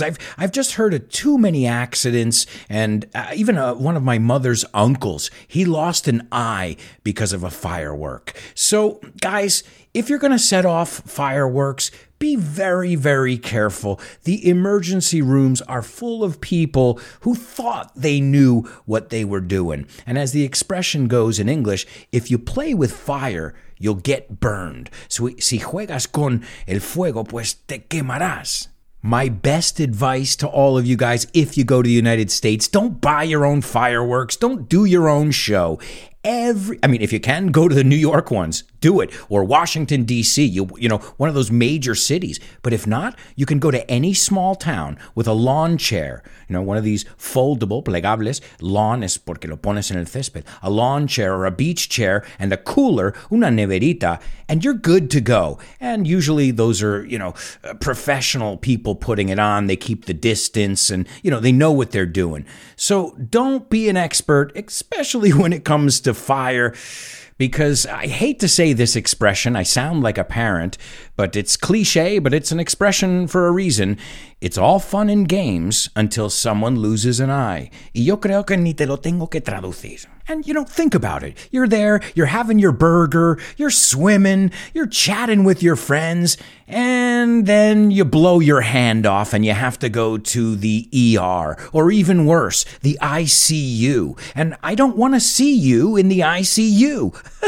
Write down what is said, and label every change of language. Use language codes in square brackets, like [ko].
[en] I've just heard of too many accidents. And even one of my mother's uncles, he lost an eye because of a firework. So, guys, if you're going to set off fireworks, be very, very careful. The emergency rooms are full of people who thought they knew what they were doing. And as the expression goes in English, if you play with fire, you'll get burned. [es] Si juegas con el fuego, pues te quemarás. [en] My best advice to all of you guys, if you go to the United States, don't buy your own fireworks. Don't do your own show. If you can, go to the New York ones, do it. Or Washington, D.C., you know, one of those major cities. But if not, you can go to any small town with a lawn chair, you know, one of these foldable, plegables, lawn [es] es porque lo pones en el césped, [en] a lawn chair or a beach chair and a cooler, [es] una neverita, [en] and you're good to go. And usually those are, you know, professional people putting it on. They keep the distance and, you know, they know what they're doing. So don't be an expert, especially when it comes to fire, because I hate to say this expression, I sound like a parent, but it's cliche, but it's an expression for a reason. It's all fun and games until someone loses an eye. [es] Y yo creo que ni te lo tengo que traducir. [en] And, you know, think about it. You're there, you're having your burger, you're swimming, you're chatting with your friends, and then you blow your hand off and you have to go to the ER, or even worse, the ICU. And I don't want to see you in the ICU.